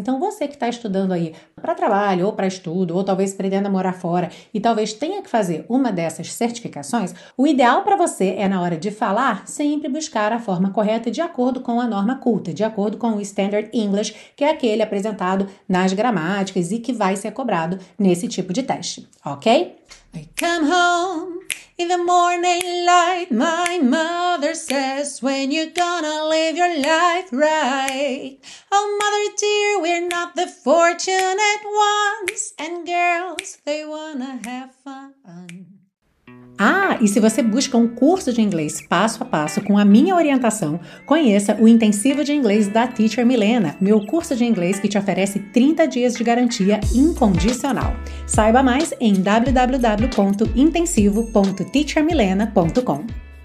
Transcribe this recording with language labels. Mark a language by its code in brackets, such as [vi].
[pt] Então, você que está estudando aí para trabalho ou para estudo, ou talvez pretenda morar fora e talvez tenha que fazer uma dessas certificações, o ideal para você é, na hora de falar, sempre buscar a forma correta de acordo com a norma culta, de acordo com o Standard English, que é aquele apresentado nas gramáticas e que vai ser cobrado nesse tipo de teste, ok? [en] I come home in the morning light, my mother says, when you gonna live your life right? Oh, mother dear, we're not the fortunate ones, and girls, they wanna have fun. [pt] Ah, e se você busca um curso de inglês passo a passo com a minha orientação, conheça o Intensivo de Inglês da Teacher Milena, meu curso de inglês que te oferece 30 dias de garantia incondicional. Saiba mais em www.intensivo.teachermilena.com.